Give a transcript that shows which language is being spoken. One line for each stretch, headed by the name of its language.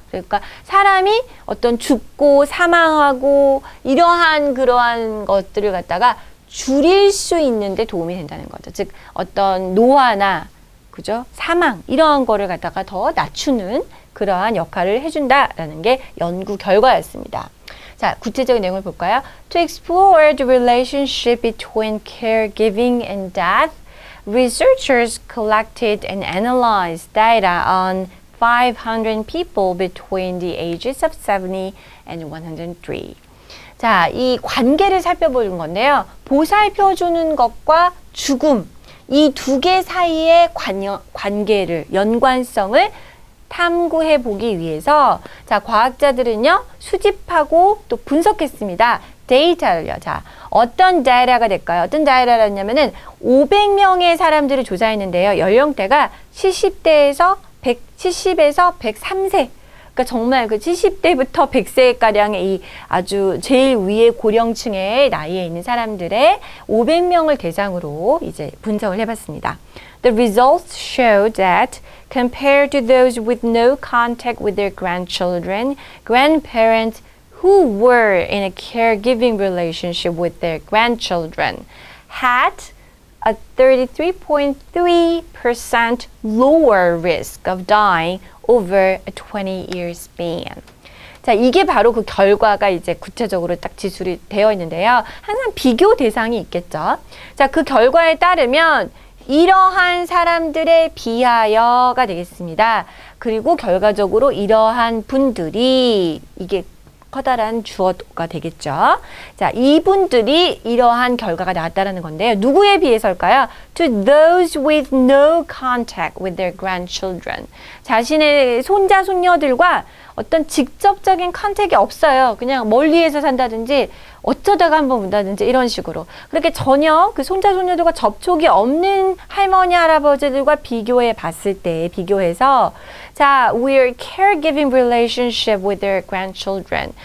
Korean: 그러니까 사람이 어떤 죽고 사망하고 이러한 그러한 것들을 갖다가 줄일 수 있는데 도움이 된다는 거죠. 즉 어떤 노화나 그죠? 사망 이러한 거를 갖다가 더 낮추는 그러한 역할을 해준다라는 게 연구 결과였습니다. 자, 구체적인 내용을 볼까요?
English: To explore the relationship between caregiving and death, researchers collected and analyzed data on 500 people between the ages of 70 and 103.
Korean: 자, 이 관계를 살펴보는 건데요. 보살펴주는 것과 죽음, 이 두 개 사이의 관계를, 연관성을 탐구해 보기 위해서 자, 과학자들은요, 수집하고 또 분석했습니다. 데이터를요. 자, 어떤 데이터가 될까요? 어떤 데이터라냐면은 500명의 사람들을 조사했는데요. 연령대가 70대에서 170에서 103세. 그러니까 정말 그 70대부터 100세가량의 이 아주 제일 위의 고령층의 나이에 있는 사람들의 500명을 대상으로 이제 분석을 해봤습니다.
English: The results show that compared to those with no contact with their grandchildren, grandparents who were in a caregiving relationship with their grandchildren had a 33.3% lower risk of dying over a 20-year span.
Korean: 자, 이게 바로 그 결과가 이제 구체적으로 딱 지술이 되어 있는데요. 항상 비교 대상이 있겠죠. 자, 그 결과에 따르면 이러한 사람들에 비하여가 되겠습니다. 그리고 결과적으로 이러한 분들이 이게 커다란 주어가 되겠죠. 자, 이분들이 이러한 결과가 나왔다는 건데요. 누구에 비해서일까요?
English: To those with no contact with their grandchildren.
Korean: 자신의 손자, 손녀들과 어떤 직접적인 컨택이 없어요. 그냥 멀리에서 산다든지 어쩌다가 한번 본다든지 이런 식으로. 그렇게 전혀 그 손자, 손녀들과 접촉이 없는 할머니, 할아버지들과 비교해 봤을 때, 비교해서 자,
English: we're caregiving relationship with their grandchildren.